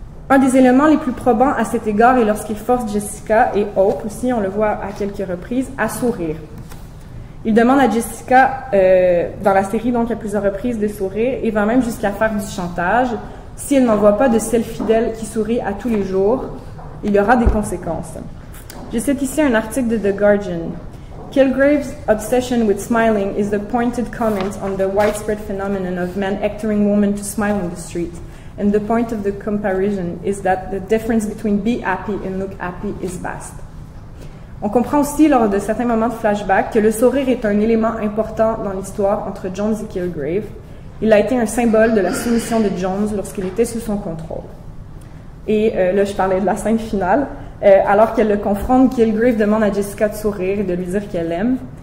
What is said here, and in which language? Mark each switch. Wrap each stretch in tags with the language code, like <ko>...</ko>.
<fr>Un des éléments les plus probants à cet égard est lorsqu'il force Jessica et Hope, aussi on le voit à quelques reprises, à sourire. Il demande à Jessica, dans la série donc à plusieurs reprises, de sourire et va même jusqu'à faire du chantage. Si elle n'envoie pas de celle fidèle qui sourit à tous les jours, il y aura des conséquences. Je cite ici un article de The Guardian.</fr> <en>Kilgrave's obsession with smiling is the pointed comment on the widespread phenomenon of men hectoring women to smile in the street. And the point of the comparison is that the difference between be happy and look happy is vast.</en> <fr>On comprend aussi, lors de certains moments de flashback, que le sourire est un élément important dans l'histoire entre Jones et Kilgrave. Il a été un symbole de la soumission de Jones lorsqu'il était sous son contrôle. Et là, je parlais de la scène finale. Alors qu'elle le confronte, Kilgrave demande à Jessica de sourire et de lui dire qu'elle l'aime.</fr>